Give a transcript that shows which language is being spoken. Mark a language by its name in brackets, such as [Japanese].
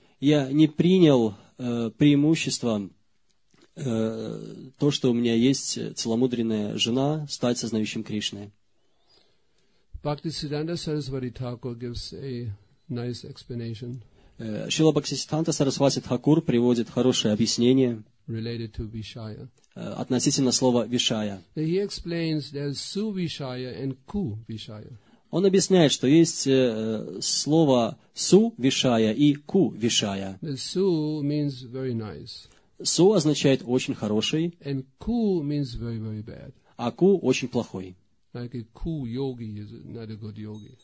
[Russian] Я не принял преимущество, то, что у меня есть целомудренная жена, стать сознающим Кришной. [English] Bhaktisiddhanta Sarasvati Thakur gives a nice explanation. [Russian] Шрила Бхактисиддханта Сарасвати Тхакур приводит хорошее объяснение [English] related to Vishaya. [Russian] Относительно слова Вишая. [English] He explains there's Su Vishaya and Ku Vishaya. [Russian] Он объясняет, что есть слово су-вишая и ку-вишая. [English] Су means very nice. [Russian] Су означает очень хороший. [English] And ку means very, very bad. [Russian] А ку очень плохой. [English] Like a ку-йоги is not a good yogi.